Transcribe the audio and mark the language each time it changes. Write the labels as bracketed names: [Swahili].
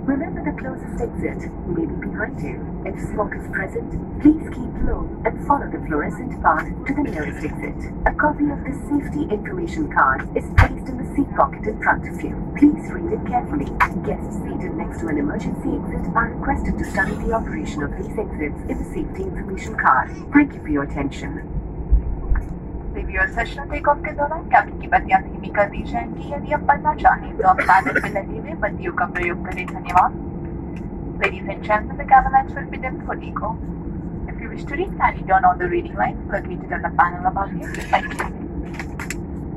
[English] Remember, the closest exit may be behind you. If smoke is present, please keep low and follow the fluorescent path to the nearest exit. A copy of the safety information card is placed in the seat pocket in front of you. Please read it carefully. Guests seated next to an emergency exit are requested to study the operation of these exits in the safety information card. Thank you for your attention. [Hindi] Takeoff के दौरान cabin की बत्तियां धीमी कर दी जाएंगी। यदि आप पढ़ना चाहें तो आप पायलट के लगे में बत्तियों का प्रयोग करें। धन्यवाद। [English] Ladies and gentlemen, the cabin lights will be dim for takeoff. If you wish to read, kindly turn on the reading light located on the panel above you. Thank you.